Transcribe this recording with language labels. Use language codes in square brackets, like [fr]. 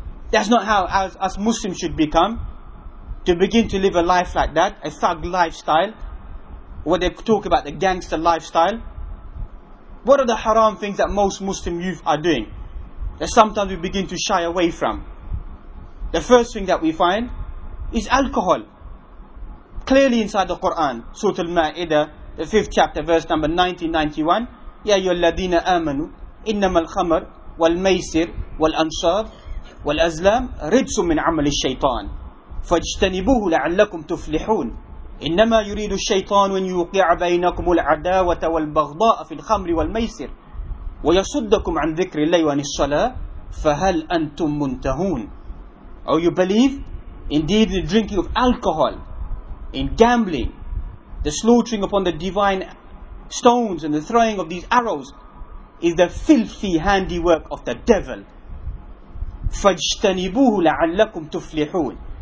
[en] That's not how us Muslims should become. To begin to live a life like that, a thug lifestyle. What they talk about, the gangster lifestyle. What are the haram things that most Muslim youth are doing that sometimes we begin to shy away from? The first thing that we find is alcohol. Clearly inside the Quran, Surah Al-Ma'idah, the 5th chapter, verse number 1991, [ar] يَا أَيُّهَا الَّذِينَ آمَنُوا إِنَّمَا الْخَمَرُ وَالْمَيْسِرُ وَالْأَنْصَابُ وَالْأَزْلَامُ رِجْسٌ مِّنْ عَمَلِ الشَّيْطَانِ فَاجْتَنِبُوهُ لَعَلَّكُمْ تُفْلِحُونَ إنما يريد الشيطان أن يوقع بينكم العداوة والبغضاء في الخمر والميسر ويصدكم عن ذكر الله وعن الصلاة فهل أنتم منتهون. [en] Oh, you believe? Indeed, the drinking of alcohol, in gambling, the slaughtering upon the divine stones and the throwing of these arrows is the filthy handiwork of the devil. [ar] فاجتنبوه لعلكم تفلحون.